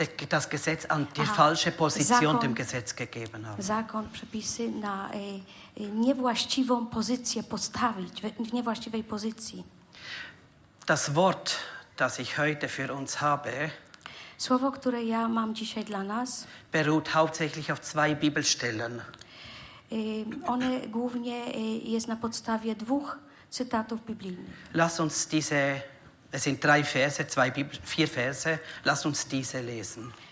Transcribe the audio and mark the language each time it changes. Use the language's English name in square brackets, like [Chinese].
[German] das Gesetz an die falsche Position zakon, dem Gesetz gegeben haben. [Polish] Zakon, przepisy na niewłaściwą pozycję postawić, w niewłaściwej pozycji. [German] Das Wort, das ich heute für uns habe, [Polish] słowo, które ja mam dzisiaj dla nas, [German] beruht hauptsächlich auf zwei Bibelstellen. [Polish] One głównie jest na podstawie dwóch cytatów biblijnych. [German] Lass uns diese, es sind drei Verse, zwei Bibel, vier Verse, lass uns diese lesen.